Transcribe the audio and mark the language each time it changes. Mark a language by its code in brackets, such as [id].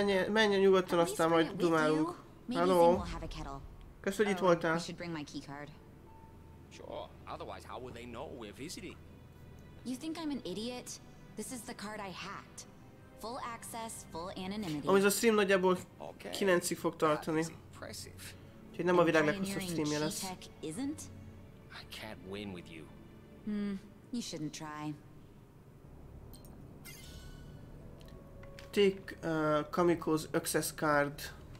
[hu] Menjen nyugodtan, aztán majd dumálunk. Hello. Kösz, hogy itt voltál. [en] Sure. Otherwise, how would they know we're visiting? You think I'm an idiot? This is the card I hacked. full access, full anonymity. [hu] Amúgy ez a stream nagyjából 9-ig fog tartani. Úgyhogy nem a világnak hosszabb streamje lesz. [en] I can't win with you. You shouldn't try. Take Kamiko's access card.